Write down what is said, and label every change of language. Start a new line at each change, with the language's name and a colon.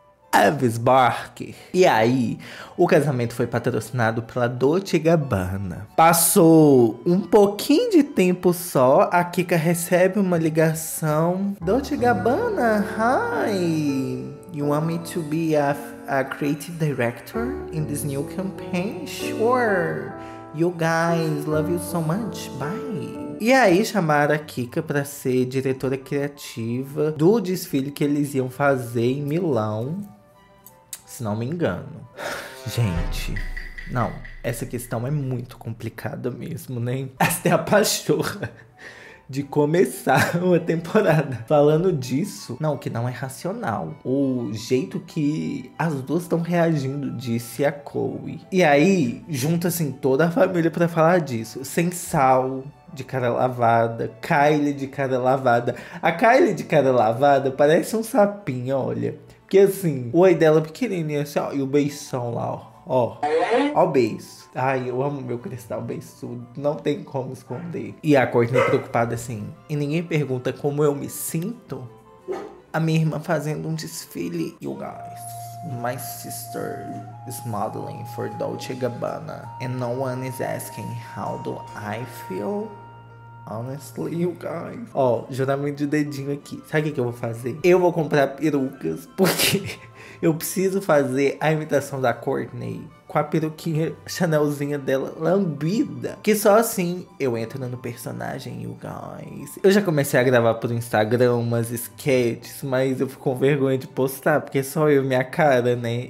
Portuguese: Travis Barker. E aí, o casamento foi patrocinado pela Dolce & Gabbana. Passou um pouquinho de tempo só, a Kika recebe uma ligação.
English: Dolce & Gabbana, hi! You want me to be a creative director in this new campaign? Sure! You guys love you so much, bye!
Portuguese: E aí chamaram a Kika pra ser diretora criativa do desfile que eles iam fazer em Milão. Se não me engano. Gente, não. Essa questão é muito complicada mesmo, né? Até a pachorra de começar uma temporada falando disso. Não, que não é racional. O jeito que as duas estão reagindo, disse a Chloe. E aí, junta assim toda a família pra falar disso. Sem Sal, de cara lavada. Kylie, de cara lavada. A Kylie, de cara lavada, parece um sapinho, olha. Que assim, o oi dela pequenininho, assim, ó, e o beição lá, ó, ó, ó o beiço. Ai, eu amo meu cristal beiçudo, não tem como esconder. E a Kourtney preocupada assim, e ninguém pergunta como eu me sinto? A minha irmã fazendo um desfile.
English: You guys, my sister is modeling for Dolce & Gabbana, and no one is asking how do I feel? Honestly, you guys.
Portuguese: Ó, juramento de dedinho aqui. Sabe o que eu vou fazer? Eu vou comprar perucas, porque eu preciso fazer a imitação da Kourtney com a peruquinha Chanelzinha dela lambida. Que só assim eu entro no personagem,
English: you guys.
Portuguese: Eu já comecei a gravar pro Instagram umas sketches, mas eu fico com vergonha de postar, porque só eu e minha cara, né?